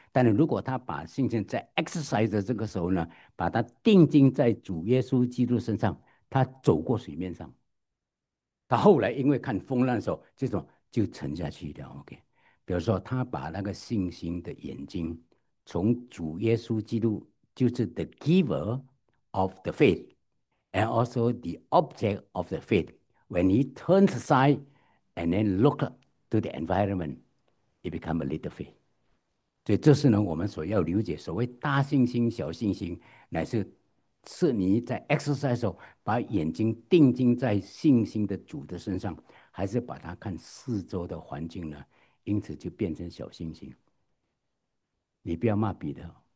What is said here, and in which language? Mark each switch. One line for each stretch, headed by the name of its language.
Chinese: 但是如果他把信心在 exercise 的这个时候呢，把它定睛在主耶稣基督身上，他走过水面上，他后来因为看风浪的时候，这种就沉下去了。 OK，比如说他把那个信心的眼睛从主耶稣基督。就是
English: the giver of the faith, and also the object of the faith. When he turns aside and then look to the environment, it become a little faith.
Chinese: 所以这是呢，我们所要了解所谓大信心、小信心，乃是你在 exercise 时候把眼睛定睛在信心的主的身上，还是把它看四周的环境呢？因此就变成小信心。你不要骂彼得。